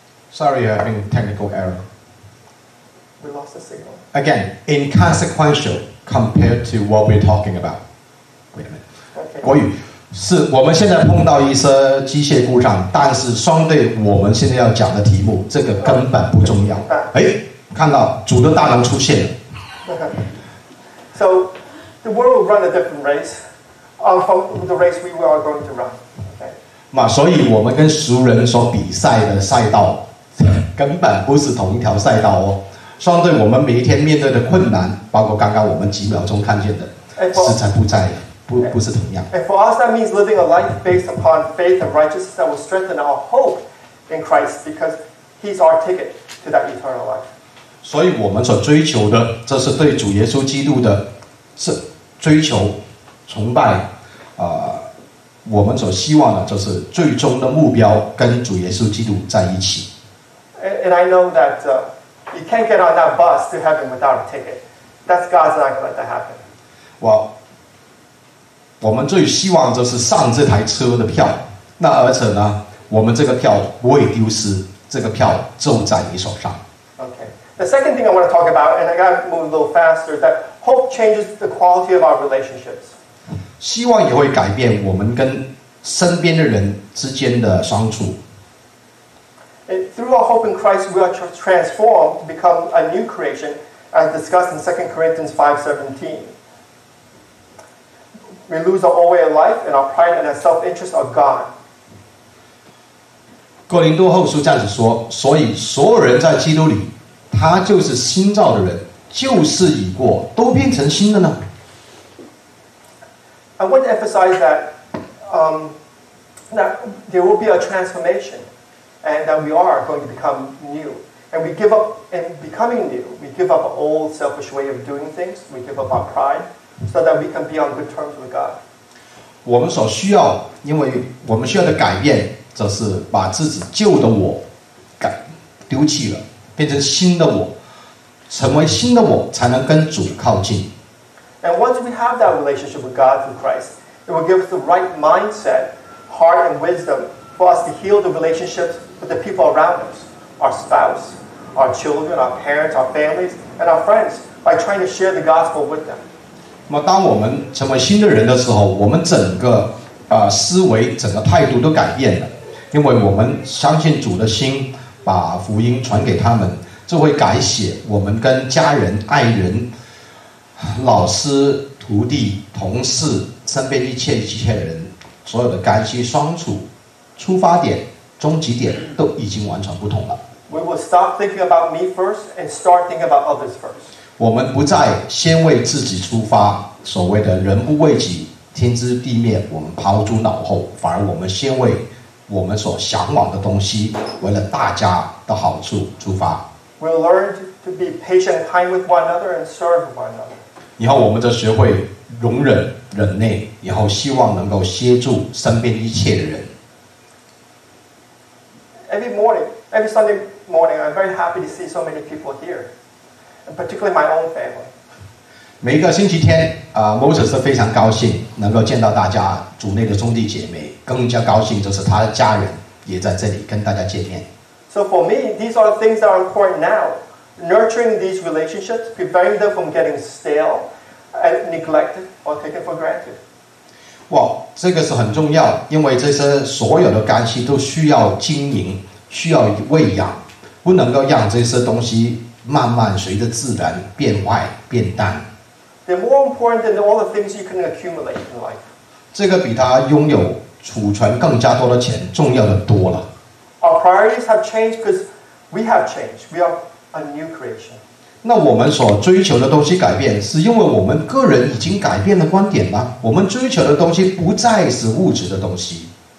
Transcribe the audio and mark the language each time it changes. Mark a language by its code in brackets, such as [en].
[en] Sorry, I've been technical error. We lost the signal. Again, inconsequential compared to what we're talking about. Wait a minute. Okay. [zh] 是我们现在碰到一些机械故障，但是相对我们现在要讲的题目，这个根本不重要。哎，看到主的大能出现了。 [en] So the world will run a different race, from the race we are going to run. Okay. [zh] 所以我们跟俗人所比赛的赛道，根本不是同一条赛道哦。相对我们每一天面对的困难，包括刚刚我们几秒钟看见的，实在不在。 [en] And for us, that means living a life based upon faith and righteousness that will strengthen our hope in Christ, because He's our ticket to that eternal life. [zh] 所以我们所追求的，这是对主耶稣基督的追求、崇拜，我们所希望的，就是最终的目标跟主耶稣基督在一起。 [en] And I know that you can't get on that bus to heaven without a ticket. That's God's not going to let that happen. Well. [zh] 我们最希望就是上这台车的票，那而且呢，我们这个票不会丢失，这个票就在你手上。 [en] Okay. The second thing I want to talk about, and I got to move a little faster, that hope changes the quality of our relationships. [zh] 希望也会改变我们跟身边的人之间的相处。 [en] And through our hope in Christ, we are transformed to become a new creation, as discussed in 2 Corinthians 5:17. We lose our old way of life, and our pride and our self-interest are gone. [zh] 哥林多后书这样子说，所以所有人在基督里，他就是新造的人，旧事已过，都变成新的呢。 [en] I want to emphasize that, that there will be a transformation, and that we are going to become new. And we give up in becoming new. We give up our old selfish way of doing things. We give up our pride. So that we can be on good terms with God. [zh] 我们所需要，因为我们需要的改变，就是把自己旧的我改丢弃了，变成新的我，成为新的我，才能跟主靠近。 [en] And once we have that relationship with God through Christ, it will give us the right mindset, heart, and wisdom for us to heal the relationships with the people around us, our spouse, our children, our parents, our families, and our friends, by trying to share the gospel with them. [zh] 那么当我们成为新的人的时候，我们整个、思维整个态度都改变了，因为我们相信主的心，把福音传给他们，就会改写我们跟家人、爱人、老师、徒弟、同事、身边一切的人所有的关系相处出发点、终极点都已经完全不同了。 [en] We will stop thinking about me first and start thinking about others first. [zh] 我们不再先为自己出发，所谓的人不为己，天知地灭，我们抛诸脑后，反而我们先为我们所向往的东西，为了大家的好处出发。 [en] We'll learn to be patient and kind with one another and serve one another. [zh] 以后我们就学会容忍、忍耐，然后希望能够协助身边一切的人。 [en] Every morning, every Sunday morning, I'm very happy to see so many people here. particularly my own family. [zh] 每一个星期天，Moses 是非常高兴能够见到大家，主内的兄弟姐妹，更加高兴就是他的家人也在这里跟大家见面。 [en] So for me, these are the things that are important now: nurturing these relationships, preventing them from getting stale and neglected or taken for granted. [zh] 哇，这个是很重要，因为这些所有的关系都需要经营，需要喂养，不能够让这些东西慢慢随着自然变坏变淡。 [en] They're more important than all the things you can accumulate in life. [zh] 这个比他拥有储存更加多的钱重要的多了。 [en] Our priorities have changed because we have changed. We are a new creation. [zh] 那我们所追求的东西改变，是因为我们个人已经改变了观点吗？我们追求的东西不再是物质的东西。